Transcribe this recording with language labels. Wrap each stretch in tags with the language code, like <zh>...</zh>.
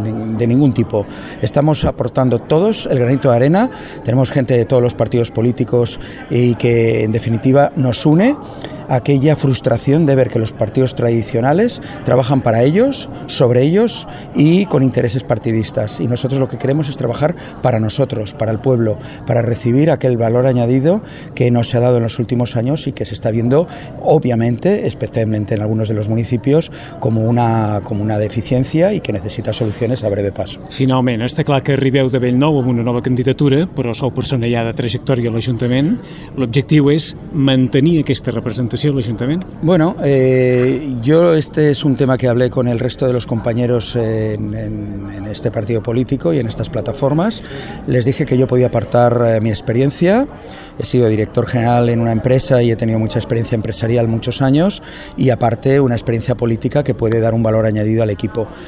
<es>De ningún tipo. Estamos aportando todos el granito de arena, tenemos gente de todos los partidos políticos y que en definitiva nos une aquella frustración de ver que los partidos tradicionales trabajan para ellos, sobre ellos y con intereses partidistas. Y nosotros lo que queremos es trabajar para nosotros, para el pueblo, para recibir aquel valor añadido que nos se ha dado en los últimos años y que se está viendo, obviamente, especialmente en algunos de los municipios, como una deficiencia y que necesita soluciones a breve paso.</es> <ca>Finalment, està clar que arribeu de Bellnou amb una nova candidatura, però sou persona ja de trajectòria a l'Ajuntament. L'objectiu és mantenir aquesta representació del Ayuntamiento.</ca> <es>Bueno, yo este es un tema que hablé con el resto de los compañeros en este partido político y en estas plataformas. Les dije que yo podía apartar mi experiencia. He sido director general en una empresa y he tenido mucha experiencia empresarial muchos años y aparte una experiencia política que puede dar un valor añadido al equipo.</es>